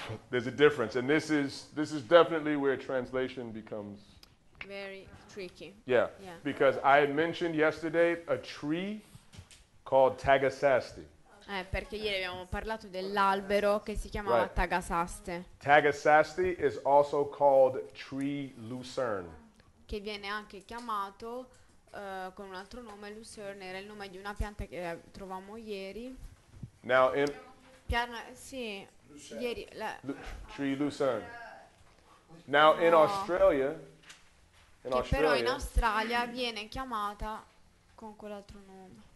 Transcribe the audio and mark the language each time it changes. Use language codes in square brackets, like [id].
[en] There's a difference, and this is definitely where translation becomes very tricky. Yeah. Because I had mentioned yesterday a tree called tagasaste. [it] Perché ieri abbiamo parlato dell'albero che si chiamava tagasaste. [en] Tagasaste is also called tree lucerne. [it] Che viene anche chiamato con un altro nome, lucerne, era il nome di una pianta che trovammo ieri. [en] Now in tree lucerne. Now in Australia, [it] in Australia viene chiamata con quell'altro nome.